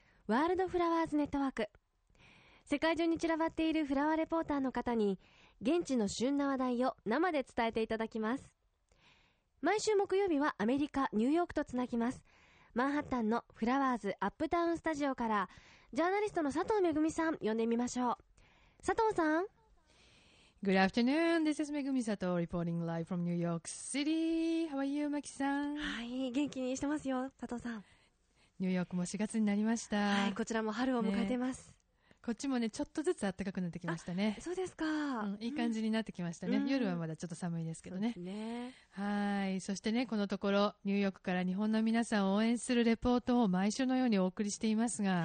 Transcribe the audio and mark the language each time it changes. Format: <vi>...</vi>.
<ja>ワールドフラワーズネットワーク。世界中に散らばっているフラワーレポーターの方に現地の旬な話題を生で伝えていただきます。毎週木曜日はアメリカ・ニューヨークとつなぎます。マンハッタンのフラワーズアップタウンスタジオからジャーナリストの佐藤めぐみさん呼んでみましょう。佐藤さん、</ja> <en>Good afternoon. This is Megumi Sato reporting live from New York City. How are you, Maki-san?</en> <ja>はい、元気にしてますよ、佐藤さん。ニューヨークも4月になりました。はい、こちらも春を迎えてます。ね、こっちもね、ちょっとずつ暖かくなってきましたね。そうですか、うん。いい感じになってきましたね、うん。夜はまだちょっと寒いですけどね。そうですね。はい。そしてね、このところ、ニューヨークから日本の皆さんを応援するレポートを毎週のようにお送りしていますが、</ja>